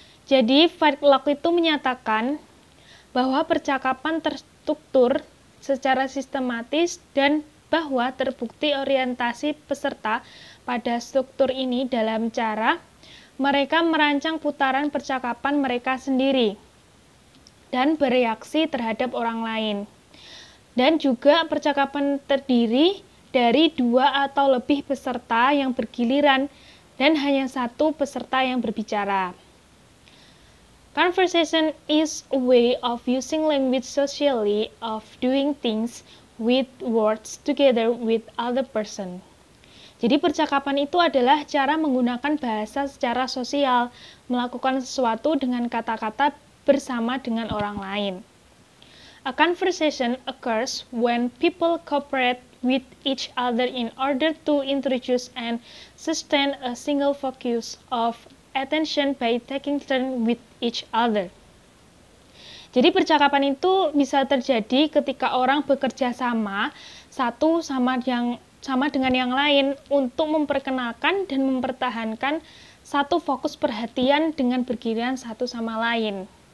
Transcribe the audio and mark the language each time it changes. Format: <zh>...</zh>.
<id>Jadi, Fight Clock itu menyatakan bahwa percakapan terstruktur secara sistematis dan bahwa terbukti orientasi peserta pada struktur ini dalam cara mereka merancang putaran percakapan mereka sendiri dan bereaksi terhadap orang lain. Dan juga percakapan terdiri dari dua atau lebih peserta yang bergiliran dan hanya satu peserta yang berbicara.</id> <en>Conversation is a way of using language socially, of doing things with words together with other person.</en> <id>Jadi percakapan itu adalah cara menggunakan bahasa secara sosial, melakukan sesuatu dengan kata-kata bersama dengan orang lain.</id> <en>A conversation occurs when people cooperate with each other in order to introduce and sustain a single focus of attention by taking turn with each other.</en> <id>Jadi percakapan itu bisa terjadi ketika orang bekerja sama, satu sama yang sama dengan yang lain untuk memperkenalkan dan mempertahankan satu fokus perhatian dengan bergiliran satu sama lain.</id>